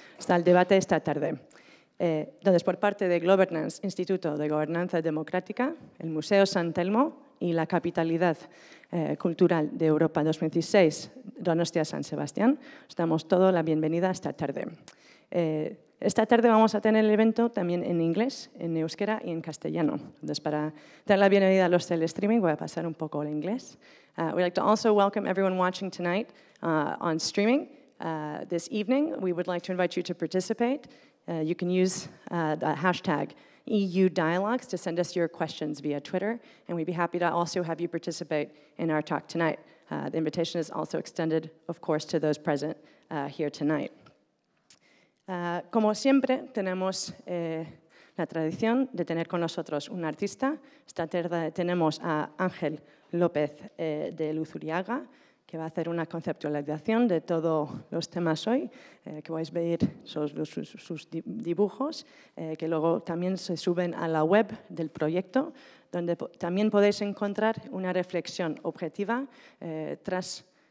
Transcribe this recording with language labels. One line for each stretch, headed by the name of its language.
Spanish: Está el debate esta tarde. Entonces, por parte de Governance, Instituto de Gobernanza Democrática, el Museo San Telmo y la Capitalidad Cultural de Europa 2016, Donostia San Sebastián, os damos toda la bienvenida esta tarde. Esta tarde vamos a tener el evento también en inglés, en euskera y en castellano. Entonces, para dar la bienvenida a los del streaming, voy a pasar un poco al inglés.
English: We'd like to also welcome everyone watching tonight on streaming. This evening, we would like to invite you to participate. You can use the hashtag EUDialogues to send us your questions via Twitter, and we'd be happy to also have you participate in our talk tonight. The invitation is also extended, of course, to those present here tonight.
Spanish: Como siempre, tenemos la tradición de tener con nosotros un artista. Esta tarde tenemos a Ángel López de Luz Uriaga, que va a hacer una conceptualización de todos los temas hoy, que vais a ver sus dibujos, que luego también se suben a la web del proyecto, donde también podéis encontrar una reflexión objetiva tras